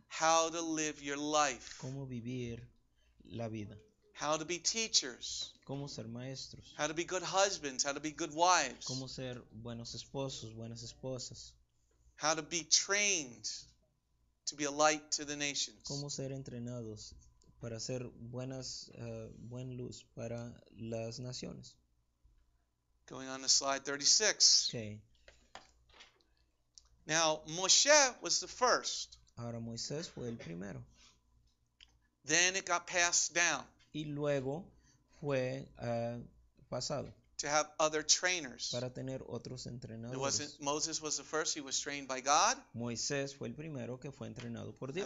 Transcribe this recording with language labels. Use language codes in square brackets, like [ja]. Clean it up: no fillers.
[en] How to live your life? [es] ¿Cómo vivir la vida? [en] How to be teachers? [es] ¿Cómo ser maestros? [en] How to be good husbands? How to be good wives? [es] ¿Cómo ser buenos esposos, buenas esposas? [en] How to be trained to be a light to the nations? [es] ¿Cómo ser entrenados para hacer buen luz para las naciones? [en] Going on to slide 36. Okay. Now, Moshe was the first. [es] Ahora Moisés fue el primero. [en] Then it got passed down. [es] Y luego fue pasado. [en] To have other trainers. [es] Para tener otros entrenadores. [en] Moses was the first, he was trained by God. [es] Moisés fue el primero que fue entrenado por Dios.